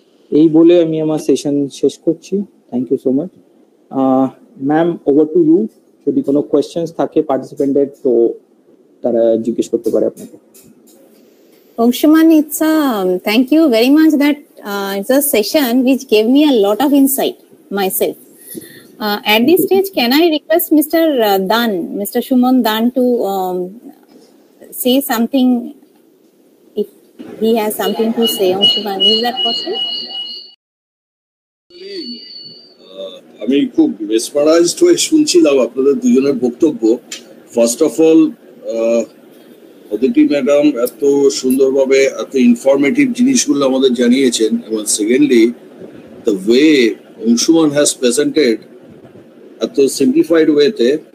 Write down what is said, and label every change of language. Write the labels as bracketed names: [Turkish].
[Bangla] এই বলে আমি আমার সেশন শেষ করছি। [English] Thank you so much ma'am, over to you. [Bangla] যদি কোনো কোয়েশ্চেন্স থাকে পার্টিসিপেন্টের তো তারা জিজ্ঞেস করতে পারে আপনাকে। [English] Anshuman, it's thank you very much that it's a session which gave me a lot of insight myself. At this stage, can I request Mr. Shuman Dan to say something, if he has something to say, Shuman, is that possible? [Bangla] আমি খুব মেসমারাইজড হয়ে শুনছিলাম আপনাদের দুজনের বক্তব্য। [English] first of all, [Bangla] Aditi madam এত সুন্দরভাবে এত ইনফরমেটিভ জিনিসগুলো আমাদের জানিয়েছেন, এবং secondly [English] the way Anshuman has presented [Bangla] এত সিম্পলিফাইড ওয়েতে,